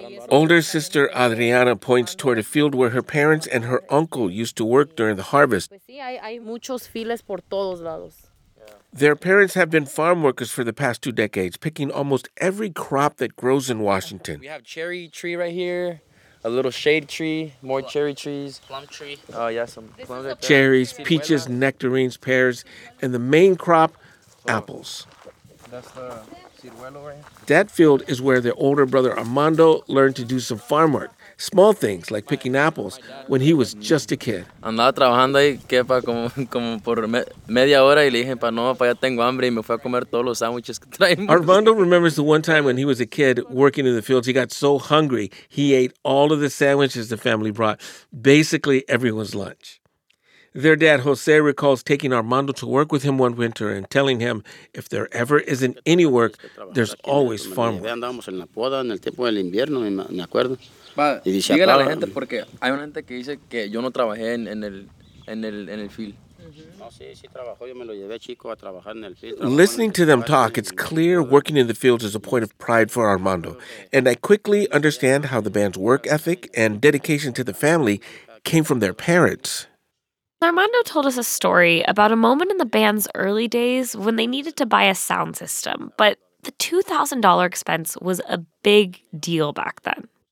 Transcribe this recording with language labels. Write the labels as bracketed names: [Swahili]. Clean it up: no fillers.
[English] Older sister Adriana points toward a field where her parents and her uncle used to work during the harvest. [Spanish] Pues sí, hay muchos fields por todos lados. [English] Their parents have been farm workers for the past 2 decades, picking almost every crop that grows in Washington. We have cherry tree right here. A little shade tree, more cherry trees. Plum tree. Oh, yeah, some plums. Cherries, peaches, nectarines, pears, and the main crop, apples. That's the ciruelo right here. That field is where their older brother Armando learned to do some farm work. Small things, like picking apples, when he was just a kid. [Spanish] Andaba trabajando ahí, quepa, como por media hora, y le dije, pa, no, pa, ya tengo hambre, y me fui a comer todos los sándwiches que traemos. [English] Armando remembers the one time when he was a kid working in the fields, he got so hungry, he ate all of the sandwiches the family brought, basically everyone's lunch. Their dad, Jose, recalls taking Armando to work with him one winter and telling him, if there ever isn't any work, there's always farm work. [Spanish] Andábamos en la poda, en el tiempo del invierno, me acuerdo. Dígale a la gente porque hay una gente que dice que yo no trabajé en el field. No, sí trabajó, yo me lo llevé chico a trabajar en el field. [English] Listening to them talk, it's clear working in the fields is a point of pride for Armando, and I quickly understand how the band's work ethic and dedication to the family came from their parents. Armando told us a story about a moment in the band's early days when they needed to buy a sound system, but the $2,000 expense was a big deal back then.